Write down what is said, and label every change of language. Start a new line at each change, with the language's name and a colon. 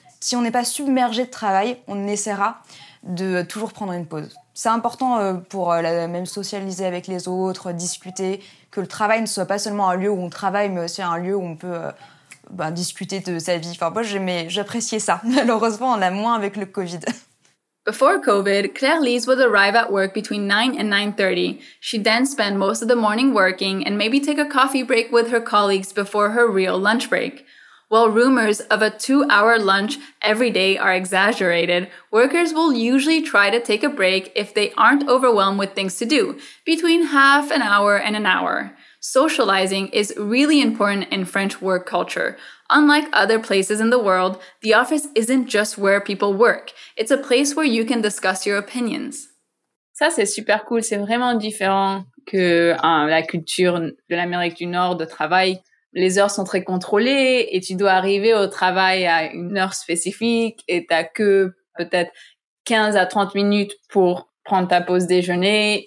French: Si on n'est pas submergé de travail, on essaiera de toujours prendre une pause. C'est important pour même socialiser avec les autres, discuter, que le travail ne soit pas seulement un lieu où on travaille, mais aussi un lieu où on peut discuter de sa vie. Enfin, moi, j'appréciais ça. Malheureusement, on a moins avec le Covid.
English: Before COVID, Claire-Lise would arrive at work between 9 and 9:30. She'd then spend most of the morning working and maybe take a coffee break with her colleagues before her real lunch break. While rumors of a 2-hour lunch every day are exaggerated, workers will usually try to take a break if they aren't overwhelmed with things to do, between half an hour and an hour. Socializing is really important in French work culture. Unlike other places in the world, the office isn't just where people work. It's a place where you can discuss your opinions.
French: Ça, c'est super cool. C'est vraiment différent que la culture de l'Amérique du Nord de travail. Les heures sont très contrôlées et tu dois arriver au travail à une heure spécifique et t'as que peut-être 15 à 30 minutes pour prendre ta pause déjeuner.